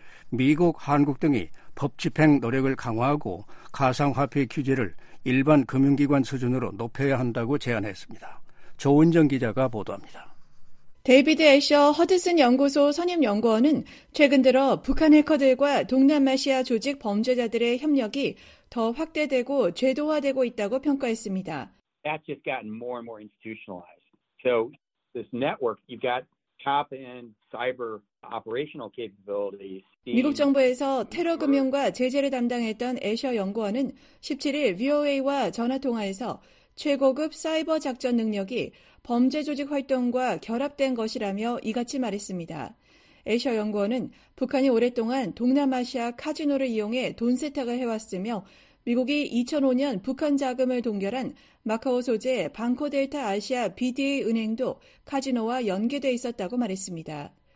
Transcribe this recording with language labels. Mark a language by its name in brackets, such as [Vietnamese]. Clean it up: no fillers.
[Korean] 미국, 한국 등이 법 집행 노력을 강화하고 가상화폐 규제를 일반 금융기관 수준으로 높여야 한다고 제안했습니다. 조은정 기자가 보도합니다. 데이비드 애셔 허드슨 연구소 선임 연구원은 최근 들어 북한 해커들과 동남아시아 조직 범죄자들의 협력이 더 확대되고 제도화되고 있다고 평가했습니다. [English] That's just gotten more and more institutionalized. So this network, you've got top-end cyber operational capabilities. [Korean] 미국 정부에서 테러 금융과 제재를 담당했던 애셔 연구원은 17일 VOA와 전화 통화에서 최고급 사이버 작전 능력이 범죄 조직 활동과 결합된 것이라며 이같이 말했습니다. 애셔 연구원은 북한이 오랫동안 동남아시아 카지노를 이용해 돈 세탁을 해왔으며 미국이 2005년 북한 자금을 동결한 마카오 소재 방코델타 아시아 BDA 은행도 카지노와 연계돼 있었다고 말했습니다.